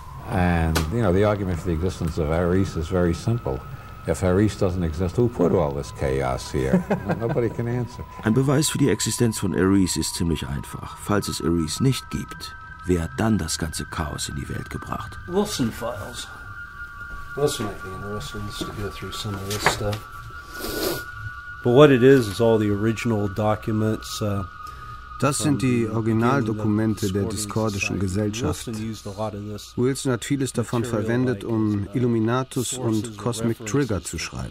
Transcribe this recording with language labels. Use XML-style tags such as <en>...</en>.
<en>And you know, the argument for the existence of Eris is very simple. If Eris doesn't exist, who put all this chaos here? Nobody can answer.</en> <de>Ein Beweis für die Existenz von Eris ist ziemlich einfach. Falls es Eris nicht gibt, wer hat dann das ganze Chaos in die Welt gebracht?</de> <en>Wilson Files. Wilson might be interested to go through some of this stuff. But what it is all the original documents.</en> <de>Das sind die Originaldokumente der diskordischen Gesellschaft. Wilson hat vieles davon verwendet, um Illuminatus und Cosmic Trigger zu schreiben.</de>